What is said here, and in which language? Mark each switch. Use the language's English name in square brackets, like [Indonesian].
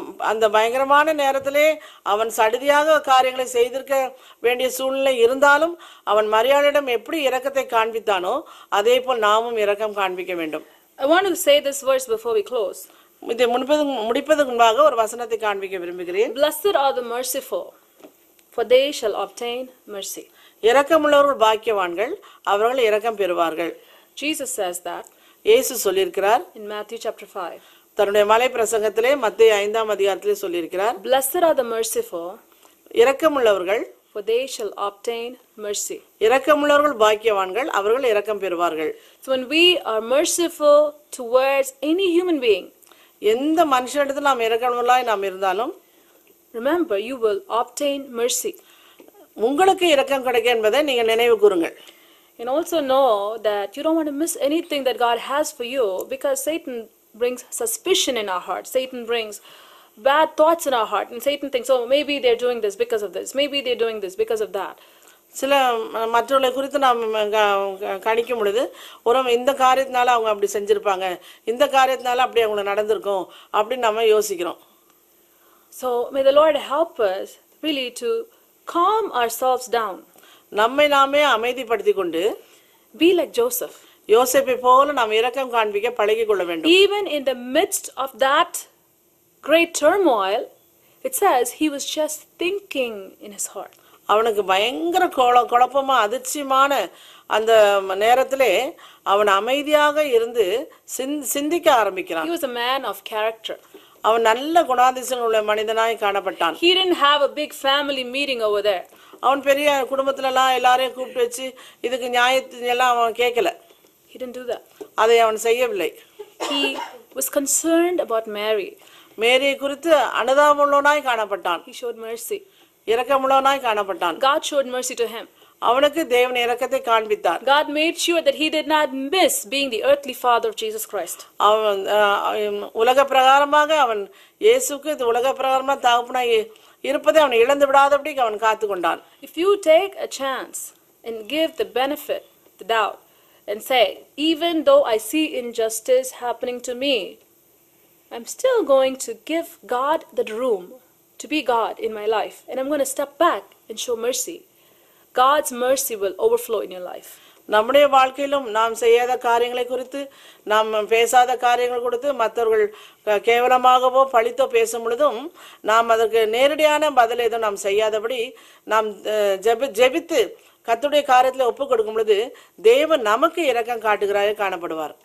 [Tamil] அந்த பயங்கரமான நேரத்திலே அவன் சடுதியாக காரியங்களை செய்திருக்க வேண்டிய சூழ்நிலை இருந்தாலும் அவன் மரியாதையிடம் எப்படி இரக்கத்தை காண்பித்தானோ அதே போல் நாமும் இரக்கம் காண்பிக்க வேண்டும். [English] I want to say this verse before we close. [Tamil] இதை முடிப்பதற்கு முன்பாக ஒரு வசனத்தை காண்பிக்க விரும்புகிறேன். [English] Blessed are the merciful, for they shall obtain mercy. [Tamil] இரக்கமுள்ளவர்கள் பாக்கியவான்கள், அவர்கள் இரக்கம் பெறுவார்கள். [English] Jesus says that. [Tamil] இயேசு சொல்லியிருக்கிறார். [English] In Matthew chapter 5. [Tamil] தன்னுடைய மலை பிரசங்கத்திலே மத்தேயு 5 அதிகாரத்திலே சொல்லியிருக்கிறார். [English] Blessed are the merciful. [Tamil] இரக்கமுள்ளவர்கள். [English] For they shall obtain mercy. [Tamil] இரக்கமுள்ளவர்கள் பாக்கியவான்கள், அவர்கள் இரக்கம் பெறுவார்கள். [English] So when we are merciful towards any human being, [Tamil] எந்த மனுஷனிடத்தில் நாம் இரக்கமுள்ளவர்களாய் நாம் இருந்தாலும், [English] Remember, you will obtain mercy. [Tamil] உங்களுக்கு இரக்கம் கிடைக்கும் என்பதை நீங்கள் நினைவு கூறுங்கள். [English] And also know that you don't want to miss anything that God has for you because Satan brings suspicion in our heart. Satan brings bad thoughts in our heart and Satan thinks, oh, maybe they're doing this because of this. Maybe they're doing this because of that. [Tamil] சில மற்றவர்களை குறித்து நாம் கணிக்கும் பொழுது ஒரு இந்த காரியத்தினால அவங்க அப்படி செஞ்சிருப்பாங்க, இந்த காரியத்தினால அப்படி அவங்களை நடந்திருக்கும் அப்படின்னு நம்ம யோசிக்கிறோம். [English] So may the Lord help us really to calm ourselves down. [Tamil] நம்மை நாமே அமைதிப்படுத்திக் கொண்டு [English] be like Joseph. [Tamil] யோசேப்பை போல நாம் இரக்கம் காண்பிக்க பழகி கொள்ள வேண்டும். [English] Even in the midst of that great turmoil, it says he was just thinking in his heart. [Tamil] அவனுக்கு பயங்கர குழப்பமா அதிர்ச்சியமான அந்த நேரத்திலே அவன் அமைதியாக இருந்து சிந்திக்க ஆரம்பிக்கிறான். [English] He was a man of character. [Tamil] அவன் நல்ல குணாதிசயங்கள் உள்ள மனிதனாய் காணப்பட்டான். [English] He didn't have a big family meeting over there. [Tamil] அவன் பெரிய குடும்பத்துல எல்லாம் எல்லாரையும் கூப்பிட்டு வச்சு இதுக்கு நியாயத்தையெல்லாம் அவன் கேட்கல. [English] He didn't do that. [Tamil] அதை அவன் செய்யவில்லை. [English] He was concerned about Mary. [Tamil] மேரியை குறித்து அனுதாபமுள்ளவனாய் காணப்பட்டான். [English] He showed mercy. [Tamil] இரக்கமுள்ளவனாய் காணப்பட்டான். [English] God showed mercy to him. [Tamil] அவனுக்கு தேவன் இரக்கத்தை காண்பித்தார். [English] God made sure that he did not miss being the earthly father of Jesus Christ. [Tamil] அவன் உலக பிரகாரமாக அவன் இயேசுக்கு உலக பிரகாரமா தகப்பனாய் இருப்பதை அவன் இழந்து விடாதபடிக்கு அவன் காத்து கொண்டான். [English] If you take a chance and give the benefit, the doubt, and say, even though I see injustice happening to me, I'm still going to give God that room to be God in my life, and I'm going to step back and show mercy. God's mercy will overflow in your life. [Tamil] நம்முடைய வாழ்க்கையிலும் நாம் செய்யாத காரியங்களை குறித்து நாம் பேசாத காரியங்கள் கொடுத்து மற்றவர்கள் கேவலமாகவோ பழித்தோ பேசும் பொழுதும் நாம் அதற்கு நேரடியான பதில் எதுவும் நாம் செய்யாதபடி நாம் ஜெபித்து கர்த்தருடைய காரியத்தில் ஒப்பு கொடுக்கும் பொழுது தேவன் நமக்கு இரக்கம் காட்டுகிறாய் காணப்படுவார்.